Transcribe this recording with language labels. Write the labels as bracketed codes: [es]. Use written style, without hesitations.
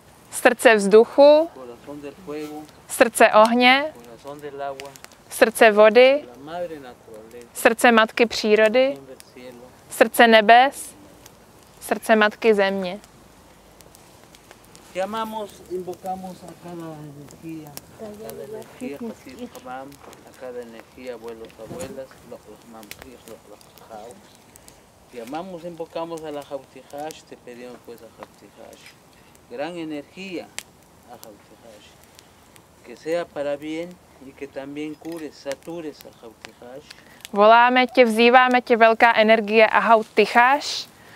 [cs] Srdce vzduchu, srdce ohně, srdce vody, srdce matky přírody, srdce nebes, srdce matky země. [es] Llamamos, invocamos a cada energía, a cada energía, a cada energía, abuelos, abuelas, los mamíes, los jaos. Llamamos, invocamos a la jautijash, te pedimos pues a jautijash. Gran energía a jautijash. Que sea para bien y que también cures, satures a jautijash. [cs] Voláme tě, vzýváme tě, velká energie a jautijash.